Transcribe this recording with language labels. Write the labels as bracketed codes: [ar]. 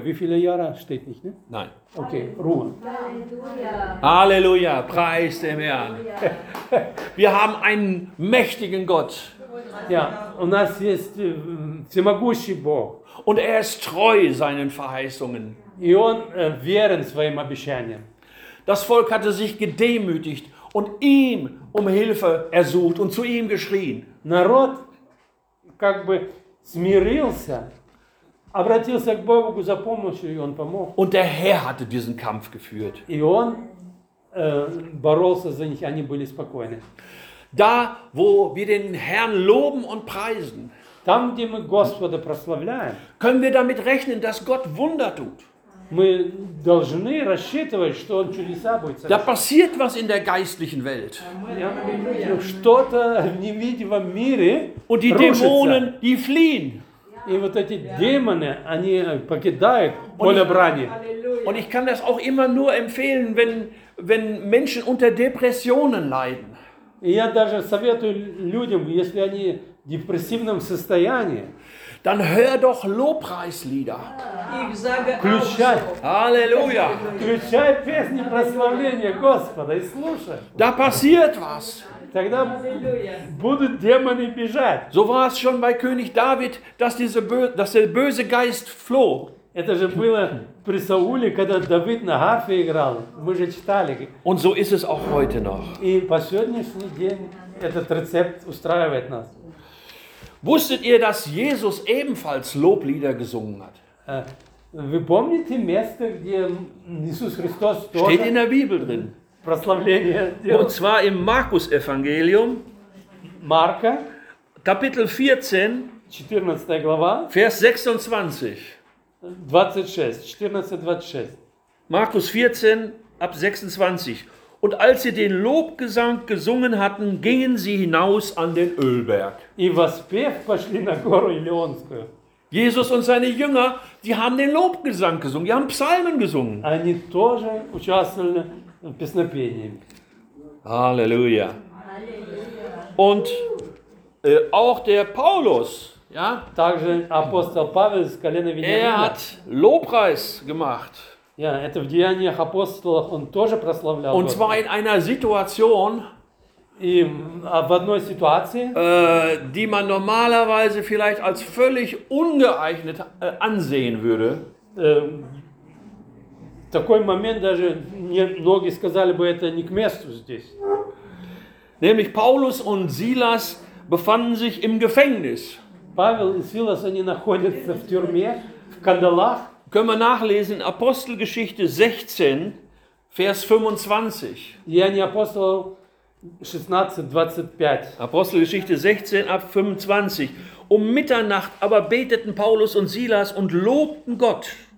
[de] Wie viele Jahre steht nicht, ne? Nein. Okay, Ruhe. Halleluja, preis dem Herrn. Wir haben einen mächtigen Gott. [ru] Ja, у нас есть всемогущий Бог. [de] Und er ist treu seinen Verheißungen. [ru] И он верен своим обещаниям. [de] Das Volk hatte sich gedemütigt und ihm um Hilfe ersucht und zu ihm geschrien. [ru] Народ как бы смирился, обратился к Богу за помощью, и он помог. [de] Und der Herr hatte diesen Kampf geführt. [ru] И он боролся за них, они были спокойны. [de] Da, wo wir den Herrn loben und preisen, [ru] там, где мы Господа прославляем, [de] können wir damit rechnen, dass Gott Wunder tut. [ru] Мы должны рассчитывать, что он чудеса будет совершать. [de] Da passiert was in der geistlichen Welt. [ru] Ja, что-то в невидимом мире. [de] Und die [ru] рушится. [de] Dämonen, die fliehen. [ru] И вот эти демоны, они покидают поле брани. [de] Und ich kann das auch immer nur empfehlen, wenn Menschen unter Depressionen leiden. [ru] И я даже советую людям, если они в депрессивном состоянии, [de] dann hör doch Lobpreislieder. Ich sage [ru] Включай. Halleluja. Включай песни прославления Господа и слушай. [de] Da passiert was. [ru] Тогда будут демоны бежать. So war es schon bei König David, dass der böse Geist floh. Это же было при Сауле, когда Давид на гарфе играл. Мы же читали. [de] Und so ist es auch heute noch. [ru] И по сегодняшний день этот рецепт устраивает нас. [de] Wusstet ihr, dass Jesus ebenfalls Loblieder gesungen hat? [ru] Вы помните место, где Иисус Христос тоже? [de] Steht in der Bibel drin. [ru] Прославление. [de] Und zwar im Markus-Evangelium. [ru] Марка. [de] Kapitel 14. [ru] 14. глава. [de] Vers 26. [ru] 26. 14, 26. [de] Markus 14, ab 26. Und als sie den Lobgesang gesungen hatten, gingen sie hinaus an den Ölberg. [ru] И воспев пошли на гору Елеонскую. [de] Jesus und seine Jünger, die haben den Lobgesang gesungen, die haben Psalmen gesungen. [ru] Они тоже участвовали в песнопении. [de] Halleluja. Und auch der Paulus, ja, [ru] также апостол Павел с колена Вениамина. [de] Er hat Lobpreis gemacht. [ru] Ja, это в Деяниях апостолов он тоже прославлял. [de] Und zwar in einer Situation, die man normalerweise vielleicht als völlig ungeeignet ansehen würde. [ru] Такой момент даже многие сказали бы, это не к месту здесь. [de] Nämlich Paulus und Silas befanden sich im Gefängnis. [ru] Павел и Силас, они находятся в тюрьме, в кандалах. [de] Können wir nachlesen, Apostelgeschichte 16, Vers 25. [ru] Деяния апостолов 16, 25. [de] Apostelgeschichte 16, ab 25. Um Mitternacht aber beteten Paulus und Silas und lobten Gott.